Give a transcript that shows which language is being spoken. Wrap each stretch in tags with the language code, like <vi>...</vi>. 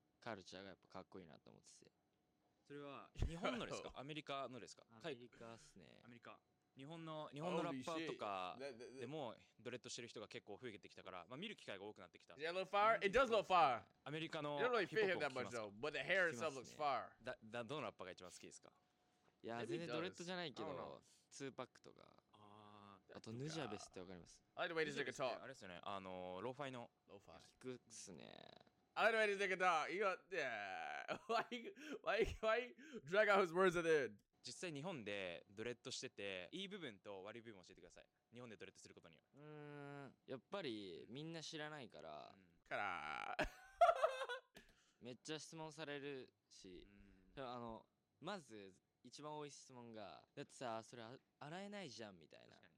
<ja>カルチャーがやっぱかっこいいなと思ってて、それは日本のですか、アメリカのですか？アメリカっすね。アメリカ、日本のラッパーとかでもドレッドしてる人が結構増えてきたから、まあ、見る機会が多くなってきた。</ja> <en>Yeah, look fire. It does look fire.</en> <ja>アメリカのヒップホップ聞きますか？</ja> <en>It doesn't really fit him that much though, but the hair itself looks fire.</en> <ja>どのラッパーが一番好きですか？いや、全然ドレッドじゃないけど、ツーパックとか、あとヌジャベスってわかります？</ja> <en>I like the way this nigga talk.</en> <ja>あれですよね、あのローファイの。ローファイ。聞くっすね。</ja> <en>I don't know anything at all. You got, yeah. Why drag out his words at the end?</en> <ja>実際日本でドレッドしてて、いい部分と悪い部分を教えてください。日本でドレッドすることには。やっぱりみんな知らないから。うん、からめっちゃ質問されるし、あの、まず一番多い質問が、だってさ、それ洗えないじゃんみたいな。</ja>